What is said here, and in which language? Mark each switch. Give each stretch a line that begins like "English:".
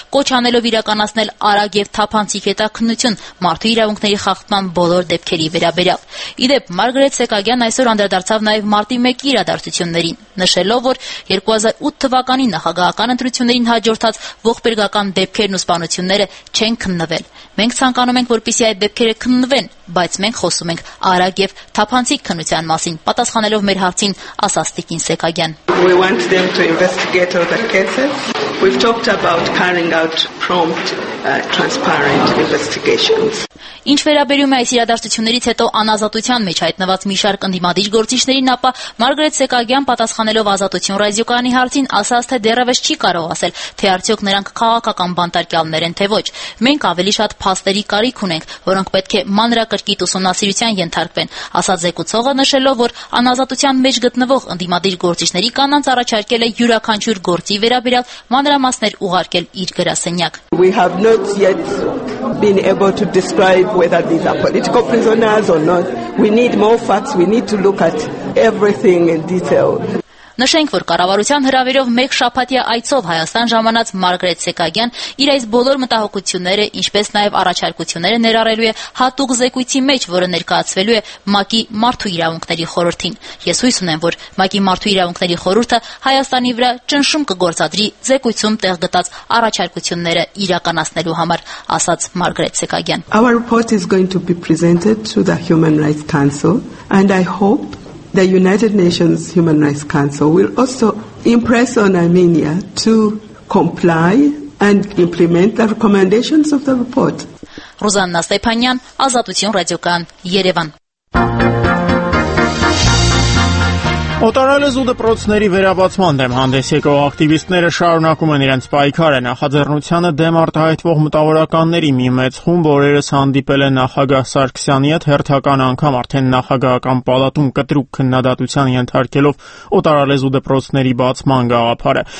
Armenian: կոչ անելով իրականացնել արագ և թափանցիկ հետաքննություն մարդու իրավունքների խախտման բոլոր դեպքերի վերաբերյալ։ Ի դեպ, Մարգրետ Սեկագյան այսօր անդրադարձավ նաև մարտի 1-ի իրադարձություններին, նշելով, որ 2008 թվականի նախագահական ընտրություններին հաջորդած ողբերգական դեպքերն ու սպանությունները չեն քննվել։ «Մենք ցանկանում ենք, որպեսզի այդ դեպքերը քննվեն, բայց մենք խոսում ենք արագ և թափանցիկ քննության մասին», պատասխանելով մեր հարցին, ասաց Տիկին Սեկագյան։
English: «We want them to investigate all the cases. We've talked about carrying out prompt, transparent investigations».
Armenian: Ինչ վերաբերում է այս իրադարձություններից հետո անազատության մեջ հայտնված մի շարք ընդդիմադիր գործիչներին, ապա Մարգրետ Սեկագյան, պատասխանելով Ազատություն ռադիոկանի հարցին, ասաց, թե դեռևս չի կարող ասել, թե արդյոք նրանք քաղաքական բանտարկյալներ են, թե ոչ։ «Մենք ավելի շատ փաստերի կարիք ունենք, որոնք պետք է մանրակրկիտ ուսումնասիրության ենթարկվեն», ասաց զեկուցողը, նշելով, որ անազատության մեջ գտնվող ընդդիմադիր գործիչների կանանց առաջարկել է յուրաքանչյուր գործի վերաբերյալ մանրամասներ ուղարկել իր գրասենյակ։
English: «Been able to describe whether these are political prisoners or not. We need more facts. We need to look at everything in detail».
Armenian: Նշենք, որ կառավարության հրավերով մեկ շաբաթյա այցով Հայաստան ժամանած Մարգրետ Սեկագյան իր այս բոլոր մտահոգությունները, ինչպես նաև առաջարկությունները ներառելու է հատուկ զեկույցի մեջ, որը ներկայացվելու է ՄԱԿ-ի մարդու իրավունքների խորհրդին։ «Ես հույս ունեմ, որ ՄԱԿ-ի մարդու իրավունքների խորհուրդը Հայաստանի վրա ճնշում կգործադրի զեկույցում տեղ գտած առաջարկությունները իրականացնելու համար», ասաց Մարգրետ Սեկագյան։
English: «Our report is going to be presented to the Human Rights Council, and I hope the United Nations Human Rights Council will also impress on Armenia to comply and implement the recommendations of the report».
Armenian: Ռուզաննա Ստեփանյան, Ազատություն ռադիոկան, Երևան։ Օտարալեզ ու դպրոցների վերաբացման դեմ հանդես եկող ակտիվիստները շարունակում են իրենց պայքարը։ Նախաձեռնությանը դեմ արտահայտվող մտավորականների մի մեծ խումբ օրերս հանդիպել է նախագահ Սարգսյանի հետ, հերթական անգամ արդեն նախագահական պալատում կտրուկ քննադատության ենթարկելով օտարալեզ ու դպրոցների բացման գաղափարը։